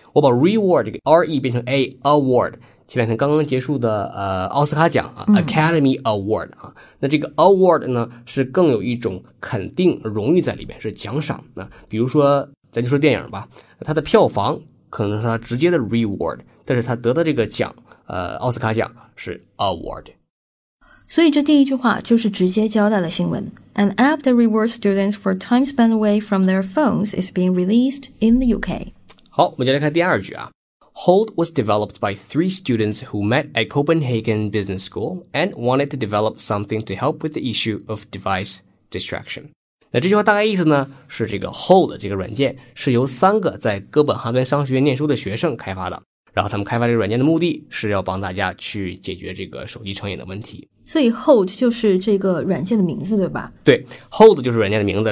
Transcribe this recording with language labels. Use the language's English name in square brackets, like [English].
[Chinese] 我把 reward 这个 RE 变成 A,award, 前两天刚刚结束的奥斯卡奖啊 ,Academy Award 啊，那这个 award 呢是更有一种肯定荣誉在里面，是奖赏。那比如说咱就说电影吧，它的票房可能是它直接的 reward, 但是它得到这个奖奥斯卡奖是 award。所以这第一句话就是直接交代了新闻。 [English] An app that rewards students for time spent away from their phones is being released in the UK. [Chinese] 好，我们接着看第二句啊。 [English] Holt was developed by 3 students who met at Copenhagen Business School and wanted to develop something to help with the issue of device distraction. [Chinese] 那这句话大概意思呢，是这个 Hold 这个软件是由三个在哥本哈根商学院念书的学生开发的，然后他们开发这个软件的目的是要帮大家去解决这个手机成瘾的问题。所以 Hold 就是这个软件的名字对吧？对， Hold 就是软件的名字。